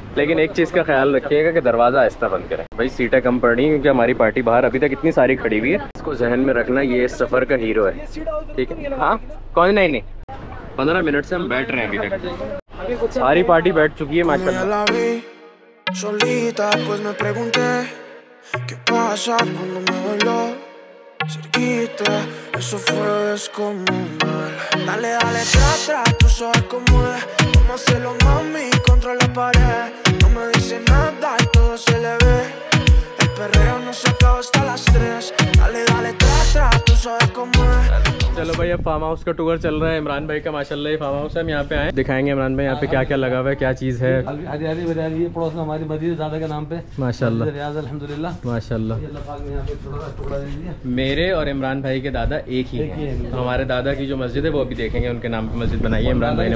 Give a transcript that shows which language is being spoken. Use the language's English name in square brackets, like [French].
[Hindi] लेकिन एक चीज का ख्याल रखिएगा कि दरवाजा आहिस्ता बंद करें भाई, सीटें कम पड़नी क्योंकि हमारी पार्टी बाहर अभी तक इतनी सारी खड़ी हुई है। इसको जहन में रखना, ये सफर का हीरो है, ठीक है। हाँ कौन, नहीं नहीं 15 मिनट से हम बैठ रहे हैं, अभी तक सारी पार्टी बैठ चुकी है माशाल्लाह। [Spanish] Solita pues me pregunté qué pasa cuando me bailo cerquita, eso fue descomunal. Dale, dale, tra, tra, tú sabes cómo es. Cómo hacerlo, mami, contra la pared. No me dice nada y todo se le ve. El perreo no se acaba hasta las tres. Dale, dale, tra, tra, tú sabes cómo es. [Hindi] चलो भाई अब farm house का tour चल रहा है इमरान भाई का, माशाल्लाह ये फार्म हाउस है। हम यहाँ पे आए दिखाएंगे इमरान भाई यहाँ पे क्या क्या लगा हुआ है, क्या चीज है। पड़ोस में हमारी मस्जिद है दादा के नाम पे, माशाल्लाह रियाज अल्हम्दुलिल्लाह माशाल्लाह। मेरे और इमरान भाई के दादा एक ही है, हमारे दादा की जो मस्जिद है वो अभी देखेंगे, उनके नाम पे मस्जिद बनाई है इमरान भाई ने